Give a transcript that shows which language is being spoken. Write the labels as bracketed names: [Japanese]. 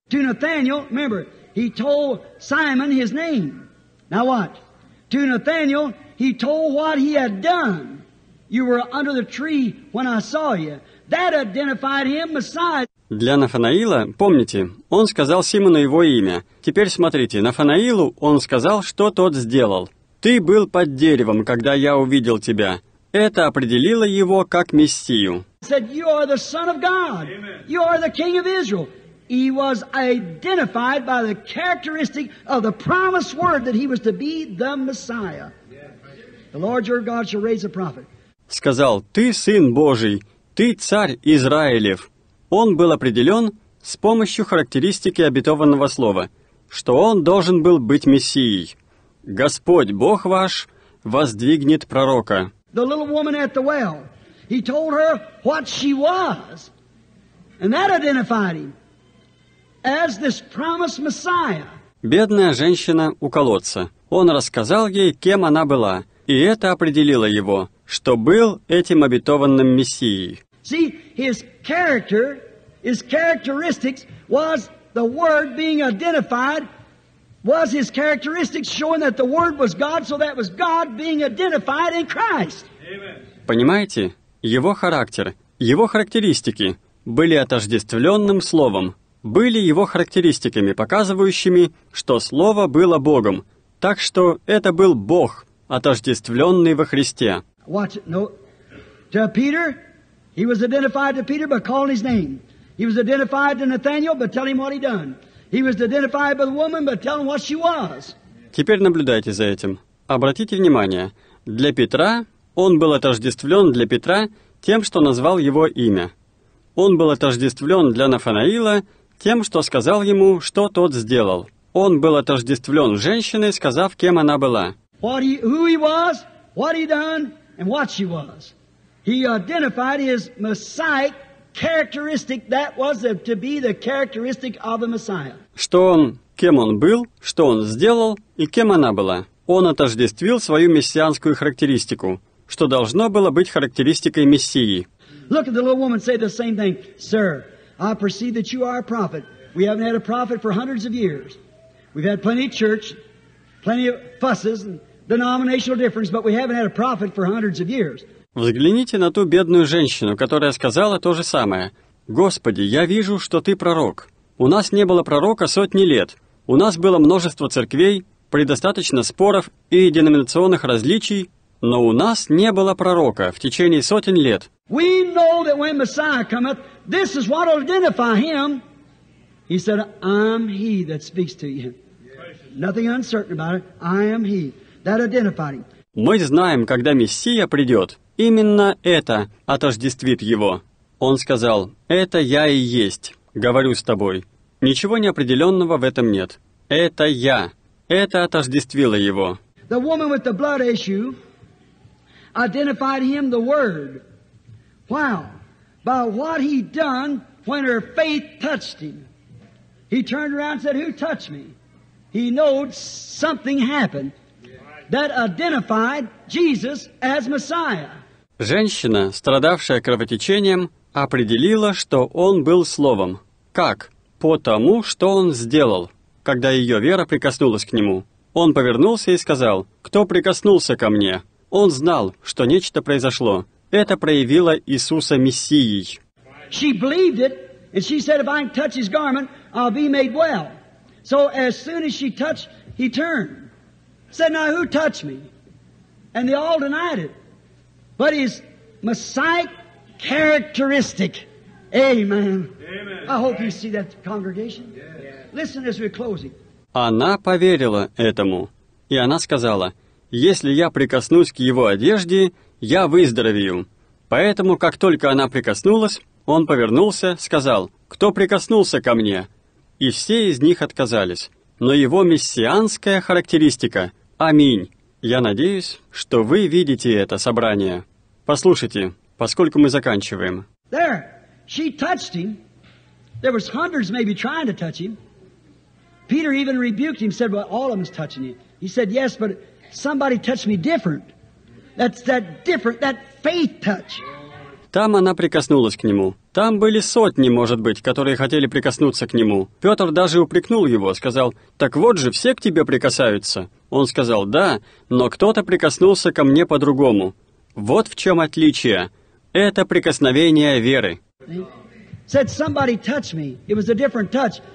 [English] To Nathanael, remember, he told Simon his name. Now watch. To Nathanael, he told what he had done. You were under the tree when I saw you. That identified him, Messiah. [Russian] Для Нафанаила, помните, он сказал Симону его имя. Теперь смотрите, Нафанаилу он сказал, что тот сделал. «Ты был под деревом, когда я увидел тебя». Это определило его как Мессию. [English] Said, you are the son of God. Amen. You are the king of Israel. He was identified by the characteristic of the promised word that he was to be the Messiah. The Lord your God shall raise a prophet. [Russian] Сказал, ты сын Божий, ты царь Израилев. Он был определен с помощью характеристики обетованного слова, что он должен был быть Мессией. Господь Бог ваш воздвигнет пророка. [English] The little woman at the well. He told her what she was. And that identified him as this promised Messiah. [Russian] Бедная женщина у колодца. Он рассказал ей, кем она была, и это определило его, что был этим обетованным Мессией. [English] See, his character, his characteristics was the word being identified, was his characteristics showing that the word was God, so that was God being identified in Christ. [Russian] Понимаете, его характер, его характеристики были отождествленным словом, были его характеристиками, показывающими, что слово было Богом. Так что это был Бог, отождествленный во Христе. [English] Watch it. No. To Peter, he was identified to Peter by calling his name. He was identified to Nathanael by telling him what he done. He was identified by the woman by telling what she was. [Russian] Теперь наблюдайте за этим. Обратите внимание. Для Петра он был отождествлен для Петра тем, что назвал его имя. Он был отождествлен для Нафанаила тем, что сказал ему, что тот сделал. Он был отождествлен женщиной, сказав, кем она была. [English] Who he was, what he done, and what she was. He identified his Messiah characteristic that was to be the characteristic of the Messiah. [Russian] Что он, кем он был, что он сделал и кем она была. Он отождествил свою мессианскую характеристику, что должно было быть характеристикой Мессии. [English] Look at the little woman say the same thing. Sir, I perceive that you are a prophet. We haven't had a prophet for hundreds of years. We've had plenty of church, plenty of fusses and denominational difference, but we haven't had a prophet for hundreds of years. [Russian] Взгляните на ту бедную женщину, которая сказала то же самое. Господи, я вижу, что ты пророк. У нас не было пророка сотни лет. У нас было множество церквей, предостаточно споров и деноминационных различий, но у нас не было пророка в течение сотен лет. [English] We know that when Messiah cometh, this is what will identify him. He said, I'm he that speaks to you. Nothing uncertain about it. I am he. That identified him. [Russian] Мы знаем, когда Мессия придет. Именно это отождествит его. Он сказал, это я и есть, говорю с тобой. Ничего неопределенного в этом нет. Это я. Это отождествило его. [English] The woman with the blood issue identified him the word. Wow. By what he done when her faith touched him. He turned around and said, who touched me? He knowed something happened that identified Jesus as Messiah. [Russian] Женщина, страдавшая кровотечением, определила, что он был словом. Как? по тому, что он сделал. Когда ее вера прикоснулась к нему, он повернулся и сказал: «Кто прикоснулся ко мне?» Он знал, что нечто произошло. Это проявило Иисуса Мессией. [English] She believed it, and she said, "If I can touch his garment, I'll be made well." So as soon as she touched, he turned, said, "Now who touched me?" And they all denied it. But his Messiah characteristic, amen. I hope you see that congregation. Listen as we're closing. [Russian] Она поверила этому, и она сказала: «Если я прикоснусь к его одежде, я выздоровею». Поэтому, как только она прикоснулась, он повернулся, сказал: «Кто прикоснулся ко мне?» И все из них отказались. Но его мессианская характеристика — аминь. Я надеюсь, что вы видите это собрание. Послушайте, поскольку мы заканчиваем. [English] There. She touched him. There was hundreds maybe trying to touch him. Peter even rebuked him, said, "Well, all of them's touching you." He said, "Yes, but somebody touched me different. That's that different, that faith touch." [Russian] Там она прикоснулась к нему. Там были сотни, может быть, которые хотели прикоснуться к нему. Петр даже упрекнул его, сказал: «Так вот же, все к тебе прикасаются». Он сказал: «Да, но кто-то прикоснулся ко мне по-другому». Вот в чем отличие. Это прикосновение веры. [English] Said somebody touched me. It was a different touch.